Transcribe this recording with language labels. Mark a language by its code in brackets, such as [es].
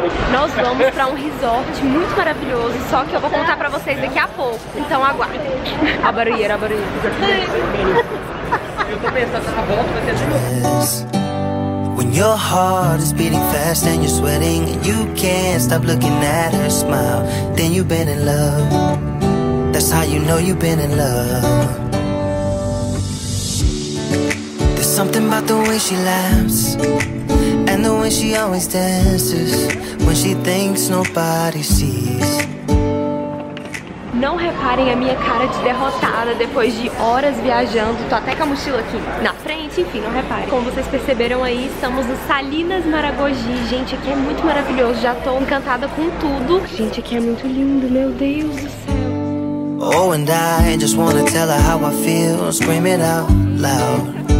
[pt] Nós vamos para um resort muito maravilhoso, só que eu vou contar para vocês daqui a pouco, então aguardem. A barulheira. Eu tô pensando nessa volta, vai ser de novo. [en] When your heart is beating fast and you're sweating and you can't stop looking at her smile, then you've been in love. That's how you know you've been in love. There's something about the way she laughs and the way she always dances when she thinks nobody sees. [pt] Não reparem a minha cara de derrotada depois de horas viajando. Tô até com a mochila aqui na frente, enfim, não reparem. Como vocês perceberam aí, estamos no Salinas Maragogi. Gente, aqui é muito maravilhoso, já tô encantada com tudo. Gente, aqui é muito lindo, meu Deus do céu. [en] Oh, and I just wanna tell her how I feel, scream it out loud.